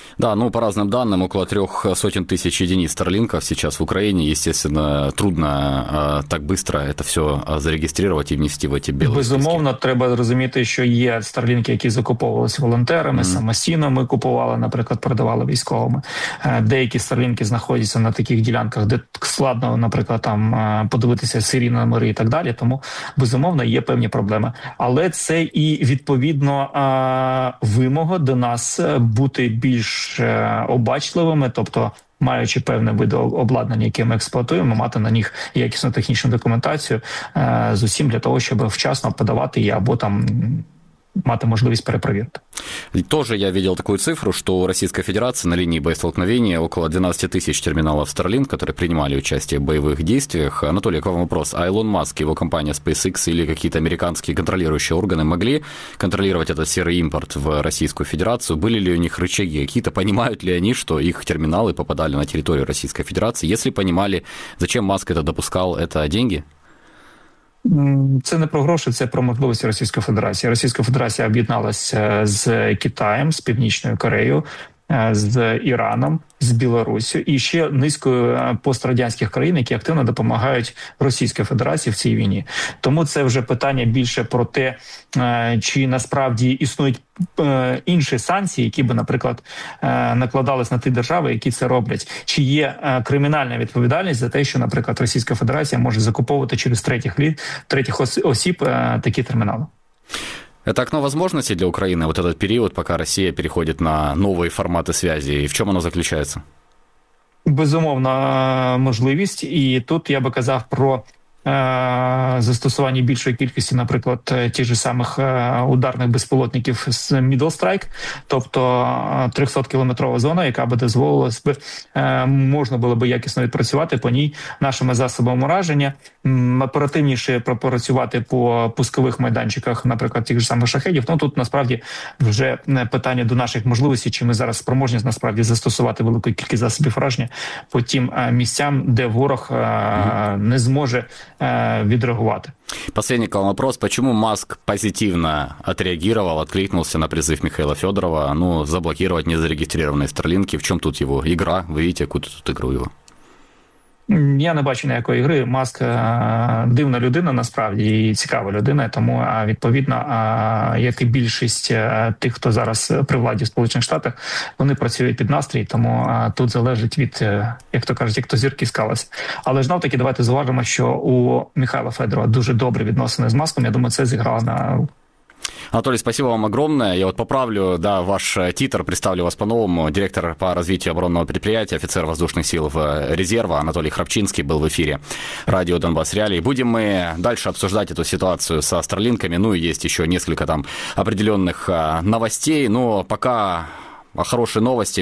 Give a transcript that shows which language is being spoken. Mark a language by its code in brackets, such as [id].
[ru] Да, ну, по разным данным, около 300 тысяч единиц Starlink'ов сейчас в Украине. Естественно, трудно так быстро это все зарегистрировать и внести в эти белые списки. [uk] Безумовно, треба розуміти, що є Starlink'и, які закуповувалися волонтерами, самостійно ми купували, наприклад, продавали військовими. Деякі Starlink'и знаходяться на таких ділянках, де складно, наприклад, там подивитися серійні номери і так далі. Тому, безумовно, є певні проблеми. Але це і, відповідно, вимога до нас бути більш обачливими, тобто маючи певне види обладнання, яке ми експлуатуємо, мати на них якісну технічну документацію з усім для того, щоб вчасно подавати її або там мати можливість перепровірити. [ru] Тоже я видел такую цифру, что у Российской Федерации на линии боестолкновения около 12 тысяч терминалов Starlink, которые принимали участие в боевых действиях. Анатолий, к вам вопрос. А Илон Маск, его компания SpaceX или какие-то американские контролирующие органы могли контролировать этот серый импорт в Российскую Федерацию? Были ли у них рычаги какие-то? Понимают ли они, что их терминалы попадали на территорию Российской Федерации? Если понимали, зачем Маск это допускал, это деньги? [uk] Це не про гроші, це про можливості Російської Федерації. Російська Федерація об'єдналася з Китаєм, з Північною Кореєю, з Іраном, з Білоруссю і ще низкою пострадянських країн, які активно допомагають Російській Федерації в цій війні. Тому це вже питання більше про те, чи насправді існують інші санкції, які би, наприклад, накладались на ті держави, які це роблять. Чи є кримінальна відповідальність за те, що, наприклад, Російська Федерація може закуповувати через третіх осіб такі термінали? [ru] Это окно возможностей для Украины, вот этот период, пока Россия переходит на новые форматы связи, и в чем оно заключается? [uk] Безумовно, можливість, и тут я бы казав про застосування більшої кількості, наприклад, тих же самих ударних безпілотників з Middle Strike, тобто 300-кілометрова зона, яка би дозволилась би, можна було би якісно відпрацювати по ній нашими засобами ураження, оперативніше пропрацювати по пускових майданчиках, наприклад, тих же самих шахедів. Ну, тут, насправді, вже питання до наших можливостей, чи ми зараз спроможні, насправді, застосувати велику кількість засобів ураження по тим місцям, де ворог не зможе відреагувати. [ru] Последний вопрос. Почему Маск позитивно отреагировал, откликнулся на призыв Михаила Федорова, ну, заблокировать незарегистрированные Starlink'и? В чем тут его игра? Вы видите, какую тут игру его? [uk] Я не бачу ніякої гри. Маск дивна людина, насправді, і цікава людина, тому, відповідно, як і більшість тих, хто зараз при владі в Сполучених Штатах, вони працюють під настрій, тому тут залежить від, як то кажуть, як то зірки скалася. Але знов-таки давайте зважимо, що у Михайла Федорова дуже добрі відносини з Маском, я думаю, це зіграло на... [ru] Анатолий, спасибо вам огромное. Я вот поправлю, да, ваш титр, представлю вас по-новому. Директор по развитию оборонного предприятия, офицер воздушных сил в резерва Анатолий Храпчинский был в эфире радио «Донбасс Реалии». Будем мы дальше обсуждать эту ситуацию со Starlink'ами. Ну и есть еще несколько там определенных новостей. Но пока О хорошей новости.